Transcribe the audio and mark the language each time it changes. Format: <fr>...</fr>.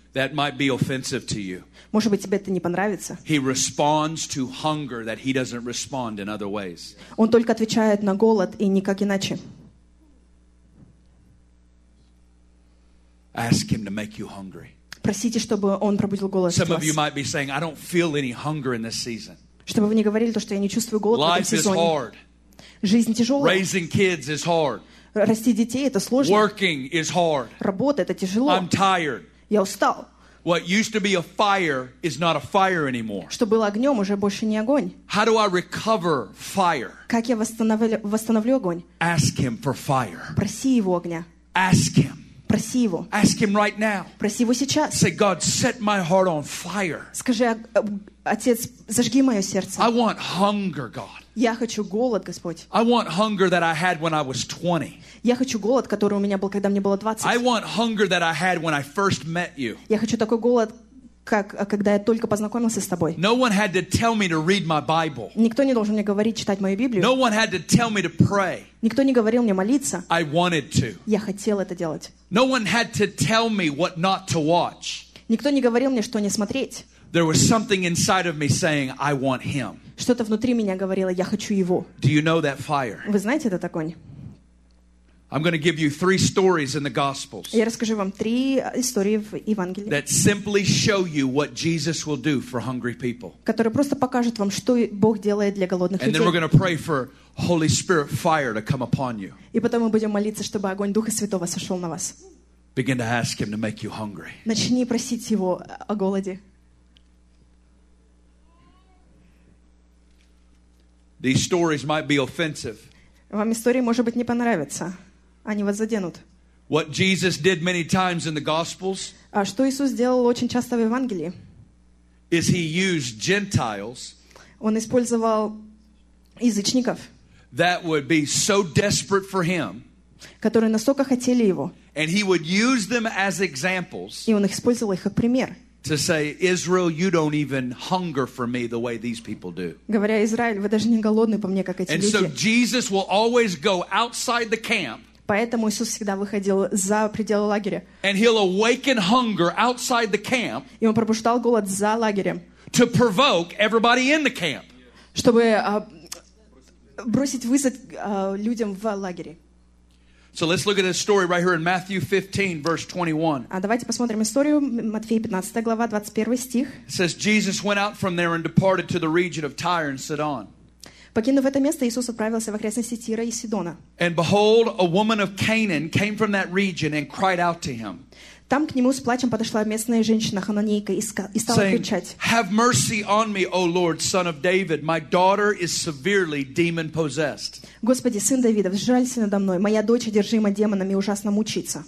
<en>That might be offensive to you.</en> <ru>Может быть, тебе это не понравится.</ru> <en>He responds to hunger that he doesn't respond in other ways.</en> <ru>Он только отвечает на голод и никак иначе.</ru> <en>Ask him to make you hungry.</en> <ru>Просите, чтобы он пробудил голод в вас.</ru> <en>Some of you might be saying, I don't feel any hunger in this season.</en> <ru>Чтобы вы не говорили то, что я не чувствую голод в этом сезоне.</ru> <en>Life is hard.</en> <ru>Жизнь тяжелая.</ru> <en>Raising kids is hard.</en> <ru>Расти детей это сложно.</ru> <en>Working is hard.</en> <ru>Работа это тяжело.</ru> <en>I'm tired.</en> <ru>Я устал.</ru> <en>What used to be a fire is not a fire anymore.</en> <ru>Что было огнем уже больше не огонь.</ru> <en>How do I recover fire?</en> <ru>Как я восстановлю огонь?</ru> <en>Ask him for fire.</en> <ru>Проси его огня.</ru> <en>Ask him.</en> <ru>Проси его.</ru> <en>Ask him right now.</en> <ru>Проси его сейчас.</ru> <en>Say, God, set my heart on fire.</en> <ru>Скажи, Отец, зажги мое сердце.</ru> <en>I want hunger, God.</en> <ru>Я хочу голод, Господь.</ru> <en>I want hunger that I had when I was 20.</en> <ru>Я хочу голод, который у меня был, когда мне было 20.</ru> <en>I want hunger that I had when I first met you.</en> <ru>Я хочу такой голод, как когда я только познакомился с тобой.</ru> <en>No one had to tell me to read my Bible.</en> <ru>Никто не должен мне говорить читать мою Библию.</ru> <en>No one had to tell me to pray.</en> <ru>Никто не говорил мне молиться.</ru> <en>I wanted to.</en> <ru>Я хотел это делать.</ru> <en>No one had to tell me what not to watch.</en> <ru>Никто не говорил мне, что не смотреть.</ru> <en>There was something inside of me saying, I want him.</en> <ru>Что-то внутри меня говорило, я хочу его.</ru> <en>Do you know that fire?</en> <ru>Вы знаете этот огонь?</ru> <en>I'm going to give you three stories in the Gospels.</en> <ru>Я расскажу вам три истории в Евангелии.</ru> <en>That simply show you what Jesus will do for hungry people.</en> <ru>Которые просто покажут вам, что Бог делает для голодных людей.</ru> <en>And then we're going to pray for Holy Spirit fire to come upon you.</en> <ru>И потом мы будем молиться, чтобы огонь Духа Святого сошел на вас.</ru> <en>Begin to ask him to make you hungry.</en> <ru>Начни просить его о голоде.</ru> <en>These stories might be offensive.</en> <ru>Вам истории, может быть, не понравятся. Они вас заденут.</ru> <en>What Jesus did many times in the Gospels?</en> <ru>А что Иисус делал очень часто в Евангелии?</ru> <en>Is he used Gentiles?</en> <ru>Он использовал язычников.</ru> <en>That would be so desperate for him.</en> <ru>Которые настолько хотели его.</ru> <en>And he would use them as examples.</en> <ru>И он использовал их как пример.</ru> <en>To say, Israel, you don't even hunger for me the way these people do.</en> <ru>Говоря, Израиль, вы даже не голодны по мне, как эти люди.</ru> <en>And so Jesus will always go outside the camp.</en> <ru>Поэтому Иисус всегда выходил за пределы лагеря.</ru> <en>And he'll awaken hunger outside the camp.</en> <ru>И он пробуждал голод за лагерем.</ru> <en>To provoke everybody in the camp.</en> <ru>Чтобы бросить вызов людям в лагере.</ru> <en>So let's look at this story right here in Matthew 15, verse 21.</en> <ru>А давайте посмотрим историю Матфея 15 глава 21 стих.</ru> <en>It says Jesus went out from there and departed to the region of Tyre and Sidon.</en> <ru>Покинув это место, Иисус отправился в окрестности Тира и Сидона.</ru> <en>And behold, a woman of Canaan came from that region and cried out to him.</en> <ru>Там к нему с плачем подошла местная женщина хананейка и стала кричать.</ru> <en>Have mercy on me, O Lord, son of David. My daughter is severely demon possessed.</en> <ru>Господи, сын Давидов, сжалься надо мной. Моя дочь одержима демонами и ужасно мучится.</ru>